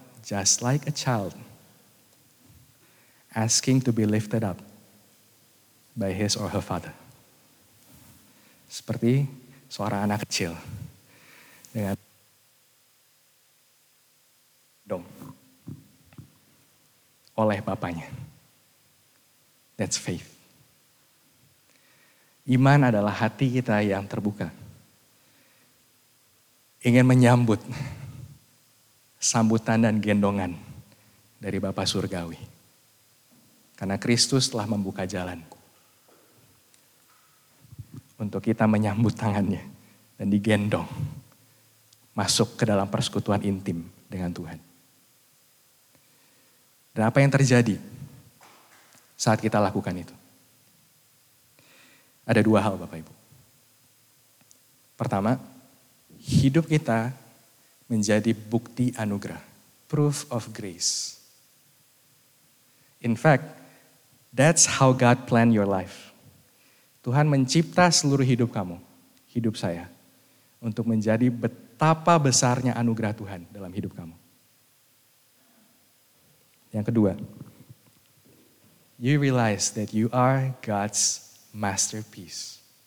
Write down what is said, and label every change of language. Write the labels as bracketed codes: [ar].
[en] Just like a child asking to be lifted up by his or her father. [id] Seperti seorang anak kecil dengan dong oleh bapaknya. [en] That's faith. [id] Iman adalah hati kita yang terbuka. Ingin menyambut sambutan dan gendongan dari Bapa Surgawi. Karena Kristus telah membuka jalan untuk kita menyambut tangannya dan digendong masuk ke dalam persekutuan intim dengan Tuhan. Dan apa yang terjadi saat kita lakukan itu? Ada dua hal Bapak Ibu. Pertama, hidup kita menjadi bukti anugerah. [en] Proof of grace. In fact, that's how God planned your life. [id] Tuhan mencipta seluruh hidup kamu, hidup saya, untuk menjadi betapa besarnya anugerah Tuhan dalam hidup kamu. Yang kedua, [en] you realize that you are God's masterpiece.